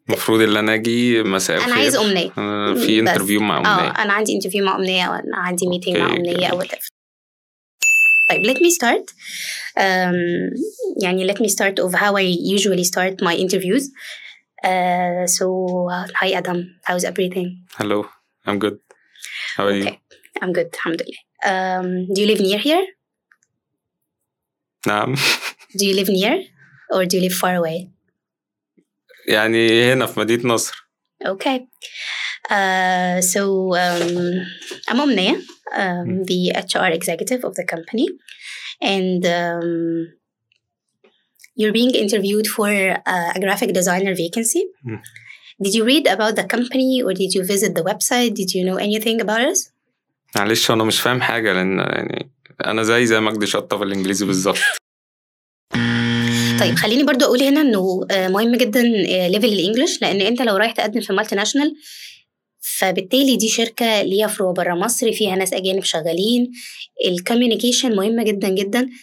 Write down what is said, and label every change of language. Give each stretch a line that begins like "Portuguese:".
Arabic: المفروض اللي انا اجي مساء الخير، انا عايز امنية، في انترفيو مع امنية، انا عندي انترفيو مع امنية، وانا عندي ميتينج مع امنية او تف.
English: طيب let me start يعني let me start of how I usually start my interviews. So hi Adam, how's everything? Hello, I'm good. How are you? Okay. I'm good, alhamdulillah. Do you live near here?
Arabic: نعم.
English: Do you live near or do you live far away?
Arabic: يعني هنا في مدينة نصر.
English: Okay. So I'm Omnia, the HR executive of the company, and you're being interviewed for a graphic designer vacancy. Did you read about the company or did you visit the website? Did you know anything about us?
Arabic: معلش انا مش فاهم حاجه لان يعني انا زي مجدي شطه في الانجليزي بالظبط. طيب خليني برضو اقول هنا انه مهم جدا ليفل الانجليش, لان انت لو رايح تقدم في مالتي ناشونال فبالتالي دي شركه ليها فروع بره مصر فيها ناس اجانب شغالين, الكوميونيكيشن مهمه جدا جدا.